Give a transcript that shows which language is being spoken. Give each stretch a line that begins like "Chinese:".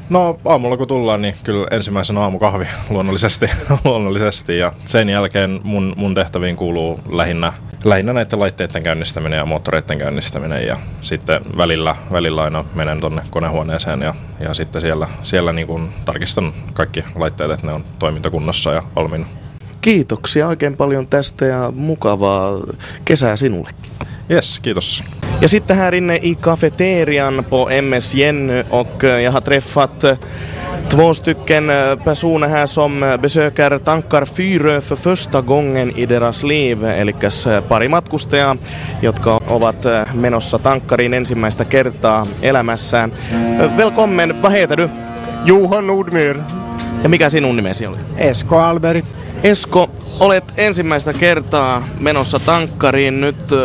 Finnish: No aamulla kun tullaan, niin kyllä ensimmäisen aamukahvi luonnollisesti ja sen jälkeen mun tehtäviin kuuluu lähinnä näiden laitteiden käynnistäminen ja moottoreiden käynnistäminen ja sitten välillä aina menen tuonne konehuoneeseen ja sitten siellä niin kuin tarkistan kaikki laitteet, että ne on toimintakunnossa ja valmiina. Kiitoksia oikein paljon tästä ja mukavaa kesää sinullekin. Jes, kiitos. Ja sitten
Swedish: här inne i kafeterian på MSN och jag har träffat två stycken personer här som besöker Tankar Fyrö för första gången i deras liv.
Finnish: Elikäs pari matkustajaa, jotka ovat menossa tankkariin ensimmäistä kertaa elämässään.
Swedish: Välkommen, vad heter du? Johan Nordmyr.
Finnish: Ja mikä sinun nimesi oli? Esko Alberi. Esko, olet ensimmäistä kertaa menossa tankkariin nyt.